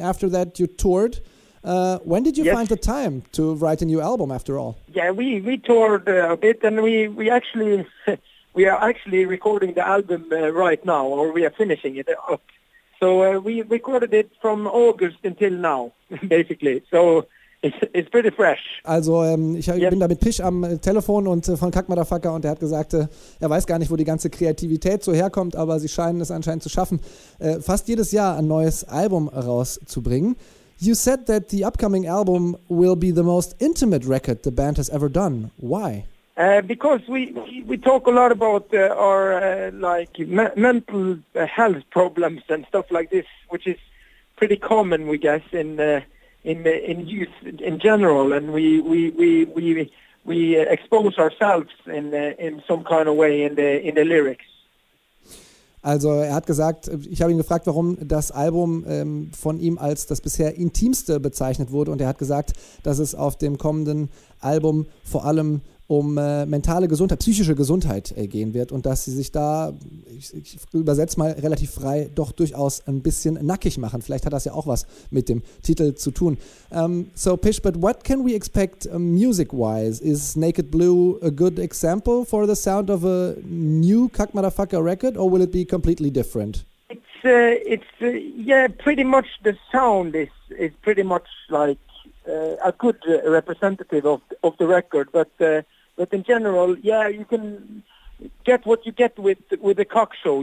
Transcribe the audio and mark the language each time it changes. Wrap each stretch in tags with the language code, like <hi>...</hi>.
<en>After that, you toured. When did you find the time to write a new album, after all? Yeah, we toured a bit, and we are actually recording the album right now, or we are finishing it up. So we recorded it from August until now, basically. So it's pretty fresh.</en> <de>Also, ich bin da mit Pish am Telefon und von Kackmotherfucker, und er hat gesagt, er weiß gar nicht, wo die ganze Kreativität so herkommt, aber sie scheinen es anscheinend zu schaffen, fast jedes Jahr ein neues Album rauszubringen.</de> <en>You said that the upcoming album will be the most intimate record the band has ever done. Why? Because we talk a lot about our like mental health problems and stuff like this, which is pretty common, we guess, in youth in general, and we expose ourselves in some kind of way in the lyrics.</en> <de>Also er hat gesagt, ich habe ihn gefragt, warum das Album von ihm als das bisher intimste bezeichnet wurde, und er hat gesagt, dass es auf dem kommenden Album vor allem um mentale Gesundheit, psychische Gesundheit gehen wird, und dass sie sich da, ich übersetze mal relativ frei, doch durchaus ein bisschen nackig machen. Vielleicht hat das ja auch was mit dem Titel zu tun.</de> <en>So Pish, but what can we expect music-wise? Is Naked Blue a good example for the sound of a new Kackmotherfucker record, or will it be completely different? It's pretty much the sound is pretty much like a good representative of the record, but in general, yeah, you can get what you get with the cock show.</en>